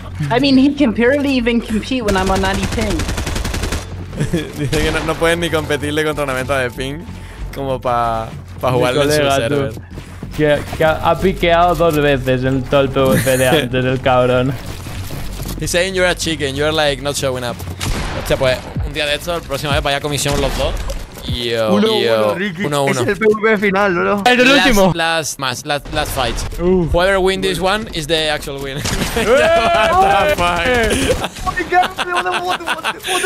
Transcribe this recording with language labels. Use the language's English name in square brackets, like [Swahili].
[English] I mean, he can barely even compete when I'm on 90 ping. [Spanish] Dice que no puedes ni competirle contra una meta de ping como para jugarlo en su server. Tú. Que ha piqueado dos veces en todo el PvP de antes, el cabrón. [English] He's saying you're a chicken, you're like not showing up. [Spanish] Hostia, pues un día de esto, la próxima vez vaya a comisión los dos. Yo, 1-1. Es el PvP final, bro. Es el último. [English] Last fight. Whoever wins this one is the actual win. What the fuck? Oh my god, what the fuck?